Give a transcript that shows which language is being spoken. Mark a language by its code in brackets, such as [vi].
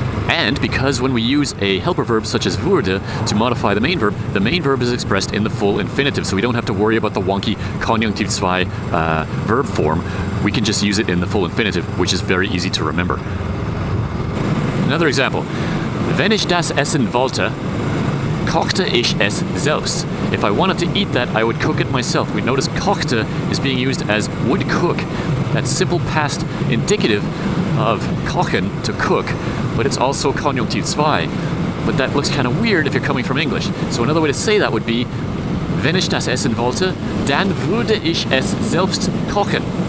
[en] And because when we use a helper verb such as würde to modify the main verb is expressed in the full infinitive, so we don't have to worry about the wonky Konjunktiv II verb form. We can just use it in the full infinitive, which is very easy to remember. Another example. [de] Wenn ich das essen wollte, kochte ich es selbst. [en] If I wanted to eat that, I would cook it myself. We notice kochte is being used as would cook. That simple past indicative of kochen, to cook, but it's also Konjunktiv II. But that looks kind of weird if you're coming from English. So another way to say that would be, [de] wenn ich das essen wollte, dann würde ich es selbst kochen.